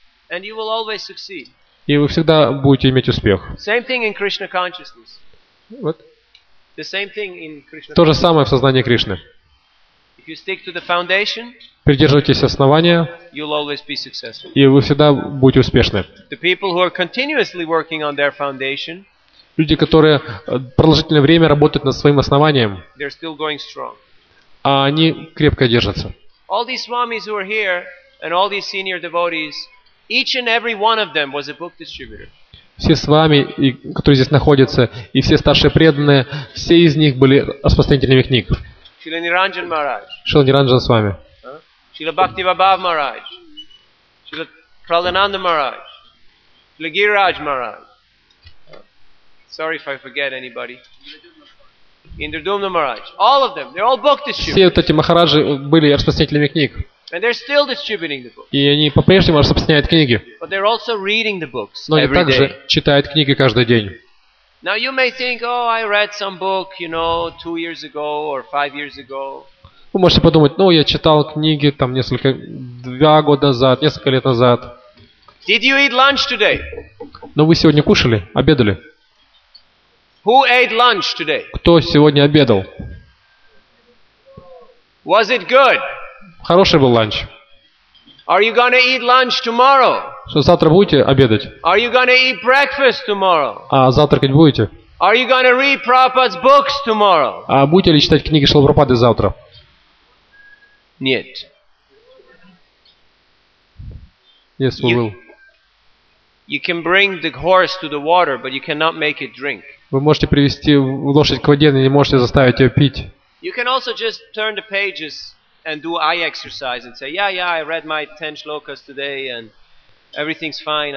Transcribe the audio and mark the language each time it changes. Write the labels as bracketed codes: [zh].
[en] And you will always succeed. [ru] и вы всегда будете иметь успех. [en] Same thing in Krishna consciousness. What? The same thing in Krishna consciousness. [ru] То же самое в сознании Кришны. [en] If you stick to the foundation, [ru] придерживайтесь основания, [en] you'll always be successful. [ru] И вы всегда будете успешны. [en] The people who are continuously working on their foundation, [ru] люди, которые продолжительное время работают над своим основанием, [en] they're still going strong. [ru] А они крепко держатся. [en] All these swamis who are here and all these senior devotees, each and every one of them was a book distributor. [ru] Все с вами, которые здесь находятся, и все старшие преданные, все из них были распространителями книг. Шрила Ниранджан Махарадж. Шрила Ниранджан с вами. Шрила Бхакти Вайбав Махарадж. Шрила Праланандан Махарадж. [en] Шрила Гирирадж Махарадж. Sorry if I forget anybody. Индрадумна Махарадж. All of them. They're all book distributors. [ru] Все вот эти махараджи были распространителями книг. [en] And they're still distributing the books. [ru] И они по-прежнему распространяют книги. [en] But they're also reading the books [ru] day. Но они также читают книги каждый день. [en] Now you may think, oh, I read some book, you know, 2 years ago or 5 years ago. [ru] Вы можете подумать, ну я читал книги там несколько 2 года назад, несколько лет назад. [en] Did you eat lunch today? [ru] Но вы сегодня кушали, обедали? [en] Who ate lunch today? [ru] Кто сегодня обедал? [en] Was it good? [ru] Хороший был ланч. [en] Are you gonna eat lunch tomorrow? [ru] Что завтра будете обедать? [en] Are you gonna eat breakfast tomorrow? [ru] А завтракать будете? [en] Are you gonna read Prabhupada's books tomorrow? [ru] А будете ли читать книги Шрилы Прабхупады завтра? Нет. [en] Yes, we will. You can bring the horse to the water, but you cannot make it drink. [ru] Вы можете привести лошадь к воде, но не можете заставить ее пить. [en] You can also just turn the pages and do eye exercise and say, yeah, yeah, I read my 10 shlokas today and everything's fine.